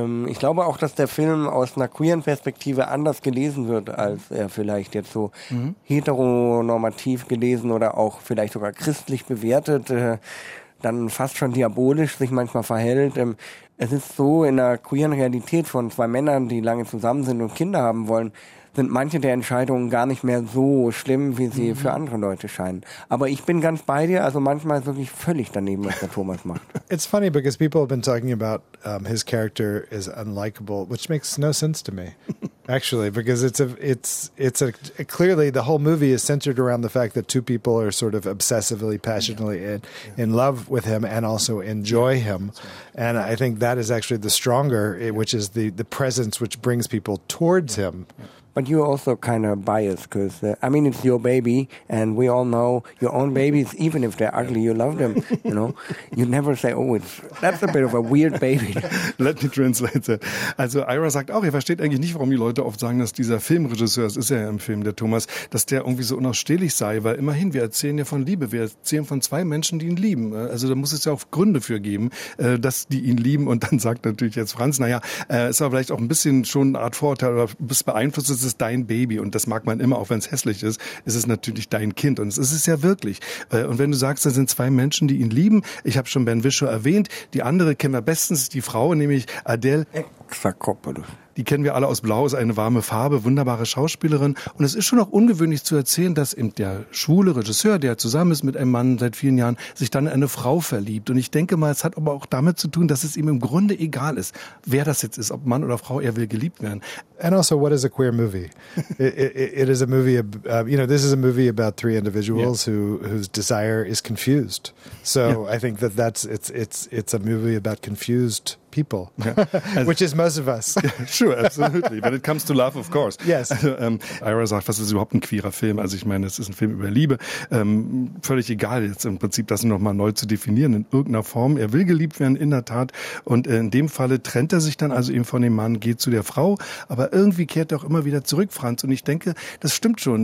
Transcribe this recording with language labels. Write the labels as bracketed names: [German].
[German] Ich glaube auch, dass der Film aus einer queeren Perspektive anders gelesen wird, als er vielleicht jetzt so heteronormativ gelesen oder auch vielleicht sogar christlich bewertet, dann fast schon diabolisch sich manchmal verhält. Es ist so, in einer queeren Realität von zwei Männern, die lange zusammen sind und Kinder haben wollen, sind manche der Entscheidungen gar nicht mehr so schlimm, wie sie für andere Leute scheinen. Aber ich bin ganz bei dir, also manchmal ist wirklich völlig daneben, was der Thomas macht. [English] It's funny, because people have been talking about his character is unlikable, which makes no sense to me, actually, because it's a clearly the whole movie is centered around the fact that two people are sort of obsessively, passionately in love with him and also enjoy him. And I think that is actually the stronger, which is the presence which brings people towards him. But you're also kind of biased because, I mean, it's your baby and we all know your own babies, even if they're ugly, you love them, you know. You never say, oh, that's a bit of a weird baby. Let me translate that. [German] Also Ira sagt auch, er versteht eigentlich nicht, warum die Leute oft sagen, dass dieser Filmregisseur, das ist ja im Film der Thomas, dass der irgendwie so unausstehlich sei, weil immerhin, wir erzählen ja von Liebe, wir erzählen von zwei Menschen, die ihn lieben. Also da muss es ja auch Gründe für geben, dass die ihn lieben. Und dann sagt natürlich jetzt Franz, naja, ist aber vielleicht auch ein bisschen schon eine Art Vorurteil oder du bist beeinflusst, es ist dein Baby und das mag man immer, auch wenn es hässlich ist, ist es natürlich dein Kind und es ist es ja wirklich. Und wenn du sagst, da sind zwei Menschen, die ihn lieben, ich habe schon Ben Whishaw erwähnt, die andere kennen wir bestens, die Frau, nämlich Adele Exarchopoulos. Die kennen wir alle aus Blau, ist eine warme Farbe, wunderbare Schauspielerin. Und es ist schon auch ungewöhnlich zu erzählen, dass eben der schwule Regisseur, der zusammen ist mit einem Mann seit vielen Jahren, sich dann in eine Frau verliebt. Und ich denke mal, es hat aber auch damit zu tun, dass es ihm im Grunde egal ist, wer das jetzt ist, ob Mann oder Frau, er will geliebt werden. [English] And also, what is a queer movie? It is a movie, you know, this is a movie about three individuals whose desire is confused. So I think that it's a movie about confused people, which is most of us. Sure, absolutely. When it comes to love, of course. Yes. [German] Ira sagt, was ist überhaupt ein queerer Film? Also ich meine, es ist ein Film über Liebe. Völlig egal jetzt im Prinzip, das nochmal neu zu definieren in irgendeiner Form. Er will geliebt werden, in der Tat. Und in dem Falle trennt er sich dann also eben von dem Mann, geht zu der Frau. Aber irgendwie kehrt er auch immer wieder zurück, Franz. Und ich denke, das stimmt schon.